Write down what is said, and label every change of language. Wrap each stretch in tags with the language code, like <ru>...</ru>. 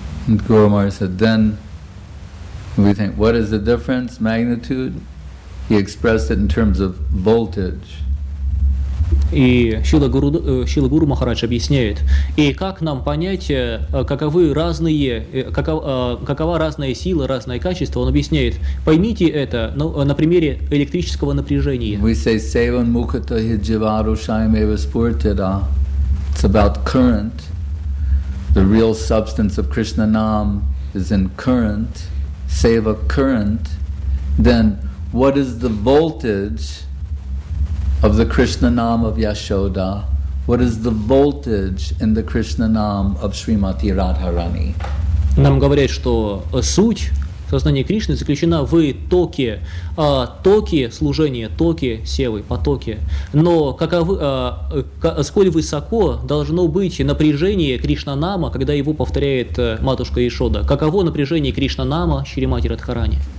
<en>And Guru Maharaj said, then we think, what is the difference, magnitude? He expressed it in terms of voltage.</en> <ru>И Шрила Гуру Махарадж объясняет, и как нам понять, какова разная сила, разное качество, он объясняет, поймите это на примере электрического напряжения.</ru> <en>We say,</en> <sa>sevan mukata hijivaru shayameva spurtida,</sa> <en>it's about current. The real substance of Krishna Nam is in current, seva current, then what is the voltage of the Krishna Nam of Yashoda? What is the voltage in the Krishna Nam of Srimati Radharani?</en> <ru>Нам говорят, что суть сознания Кришны заключена в токе, токе служения, токе севы, потоке. Но каковы, сколь высоко должно быть напряжение Кришнанама, когда его повторяет матушка Ишода? Каково напряжение Кришнанама Шримати Радхарани?</ru>